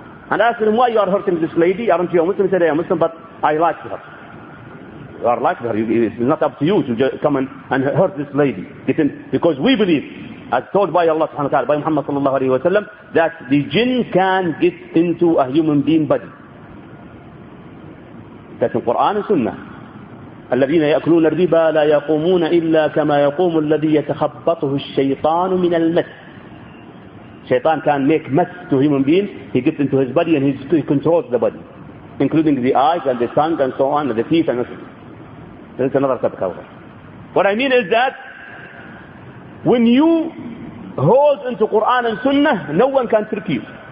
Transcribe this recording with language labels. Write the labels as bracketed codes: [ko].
[en] And I asked him, why you are hurting this lady? Aren't you a Muslim? He said, I am Muslim, but I like her. You are like her. It's not up to you to come and hurt this lady. Because we believe, as told by Allah subhanahu wa ta'ala, by Muhammad sallallahu alayhi wa sallam, that the jinn can get into a human being body. That's in Quran and Sunnah. [ar] الذين يأكلون الربا لا يقومون إلا كما يقوم الذي يتخبطه الشيطان من المس. [en] Shaitan can make mess to human beings. He gets into his body and he controls the body, including the eyes and the tongue and so on, and the teeth and so on. That's another topic. What I mean is that when you hold into Quran and Sunnah, no one can trick you.